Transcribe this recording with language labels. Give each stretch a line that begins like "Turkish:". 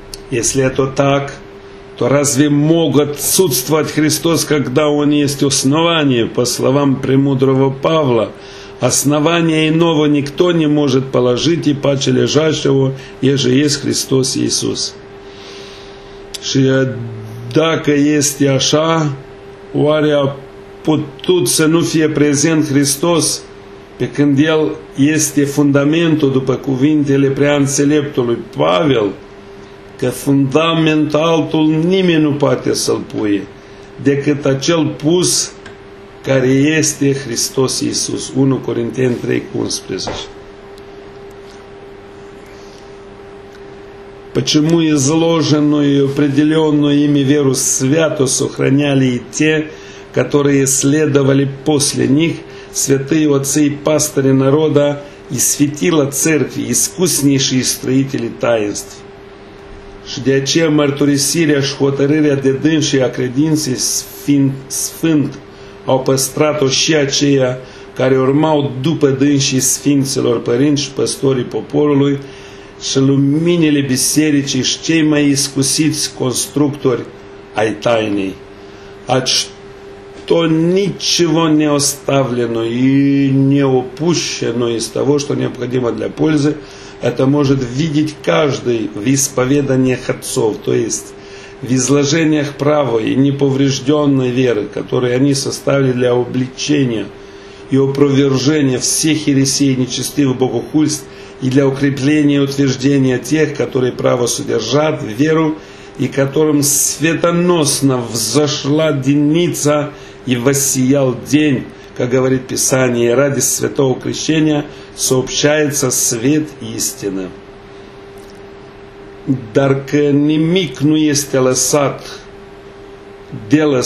Russian: Если это так, то разве мог отсутствовать Христос, когда Он есть основание? По словам премудрого Павла, основания иного никто не может положить, и паче лежащего, еже есть Христос Иисус.
Romanian: Și dacă este așa, oare a putut să nu fie prezent Христос, pe când El este fundamentul, după cuvintele prea înțeleptului Pavel, că fundament altul nimeni nu poate să-l pui decât acel pus care este Hristos Iisus. 1 Corinteni 3:11.
Russian: Почему изложенную и определенную ими веру свято сохраняли и те, которые следовали после них, святые отцы и пастыри народа и светила церкви, искуснейшие строители таинств.
Romanian: Și de aceea mărturisirea și hotărârea de dânsii a credinței sfânt au păstrat-o și aceia care urmau după dânsii sfinților părinți și păstorii poporului și luminile bisericii și cei mai iscusiți constructori ai tainei.
Russian: Ачто ничего не оставлено и не упущено из того, что необходимо для пользы, это может видеть каждый в исповеданиях отцов, то есть в изложениях правой и неповрежденной веры, которые они составили для обличения и опровержения всех ересей и нечестивых богохульств и для укрепления и утверждения тех, которые право содержат, веру, и которым светоносно взошла денница и воссиял день, как говорит Писание, и ради святого крещения сообщается свет истины.
Romanian: Dar că nimic nu este lăsat de la